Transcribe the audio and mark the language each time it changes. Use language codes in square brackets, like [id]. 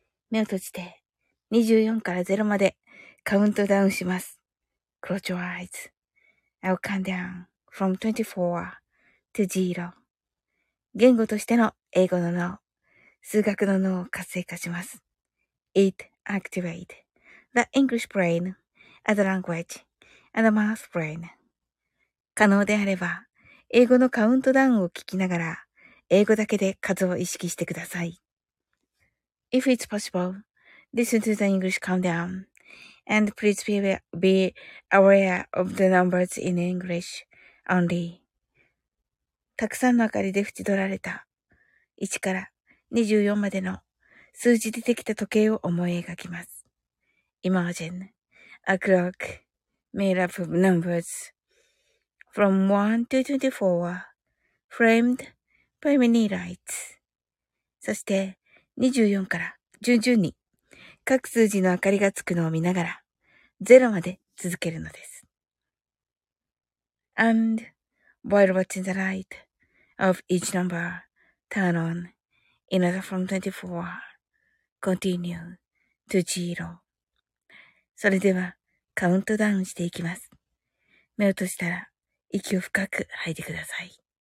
[ja] 目を閉じて、24から0までカウントダウンします。 [en] Close your eyes. I'll count down from 24 to 0. [ja] 言語としての英語の脳、数学の脳を活性化します。 [en] It activate. The English brain as a language and a math brain. [ja] 可能であれば、英語のカウントダウンを聞きながら、英語だけで数を意識してください。 [en] If it's possible, listen to the English countdown and please be aware of the numbers in English only. [ja] たくさんの明かりで縁取られた1から24までの数字でできた時計を思い描きます。 [en] Imagine a clock made up of numbers from 1 to 24 framed by many lights. [ja] そして24から順々に各数字の明かりがつくのを見ながら0まで続けるのです。 [en] And while watching the light of each number turn on in order from 24, continue to 0. [ja] それでは、カウントダウンしていきます。目を閉じたら、息を深く吐いてください。